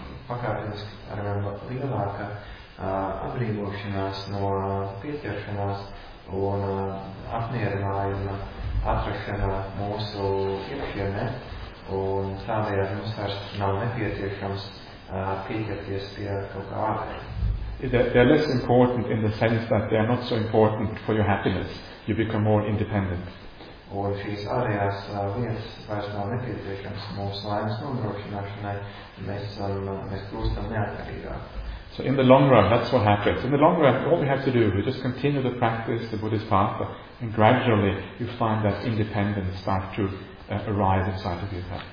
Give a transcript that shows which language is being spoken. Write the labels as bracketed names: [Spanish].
[Latvian] Pakāpeniski arvien lielāka atbrīvošanās no pieķeršanās un apmierinājuma atrašanā mūsu iekšienē, un tādējās mums vairs nav nepieciešams pieķerties pie kaut kā ārēja. [English] They are less important in the sense that they are not so important for your happiness. You become more independent. [Latvian] Un šīs ārējās lietas vairs nav nepieciešams mūsu laimes nodrošināšanai, mēs kļūstam neatkarīgāk. [English] So in the long run, that's what happens. In the long run, all we have to do is just continue the practice, the Buddhist path, and gradually you find that independence start to arise inside of you.